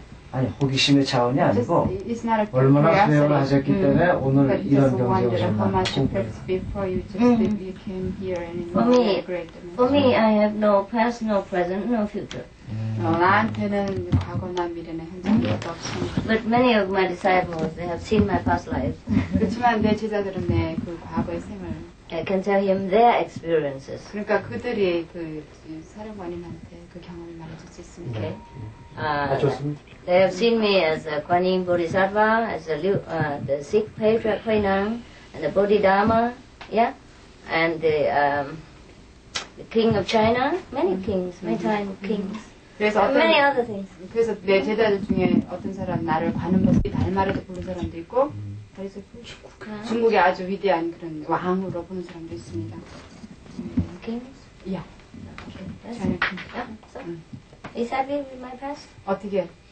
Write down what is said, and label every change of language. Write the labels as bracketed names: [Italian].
[Korean] 아니 호기심의 차원이 아니고 [English] just, [Korean] 얼마나 수행을 하셨기 때문에 오늘 이런 경제에 오셨나 [English] For me, I have no past, no present, no future. [Korean] 나한테는 과거나 미래나 현재도 없습니다. [English] But many of my disciples, they have seen my past life. [Korean] 그렇지만 내 제자들은 내 그 과거의 생을 [English] I can tell him their experiences. [Korean] 그러니까 그들이 그 사령관님한테 그 경험을 말해줄 수 있습니다. [English] Okay. [Korean] 좋습니다. [English] They have seen me as a Kuan Yin Bodhisattva, as a the Sikh patriarch Huai Nang, and the Bodhidharma, yeah, and the King of China, many kings, many time kings, many other things. [Korean] 그래서 내 제자들 중에 어떤 사람 나를 관음 보살이 달마르도 보는 사람도 있고. 그래서 중국의 아주 위대한 그런 왕으로 보는 사람도 있습니다. [English] 킹스? [Korean] 예. 잘했습니다. [English] Is happy with my past? [Korean] 어떻게?